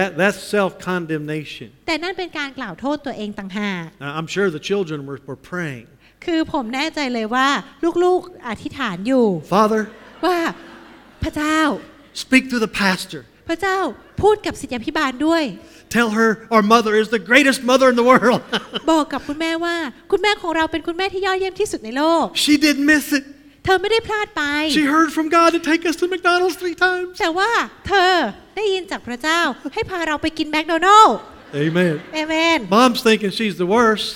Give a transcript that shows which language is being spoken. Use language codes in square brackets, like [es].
[en] That's self-condemnation. [th] แต่นั่นเป็นการกล่าวโทษตัวเองต่างหาก [en] I'm sure the children were praying. [th] คือผมแน่ใจเลยว่าลูกๆอธิษฐานอยู่ [en] Father. [th] ว่าพระเจ้า [en] Speak to the pastor. [th] พระเจ้าพูดกับศิษยาภิบาลด้วย [en] Tell her our mother is the greatest mother in the world. [th] บอกกับคุณแม่ว่าคุณแม่ของเราเป็นคุณแม่ที่ยอดเยี่ยมที่สุดในโลก [en] She didn't miss it. [th] เธอไม่ได้พลาดไป [en] She heard from God to take us to McDonald's 3 times. [th] แต่ว่าเธอได้ยินจากพระเจ้าให้พาเราไปกิน McDonald's. [en] Amen. Amen. Mom's thinking she's the worst.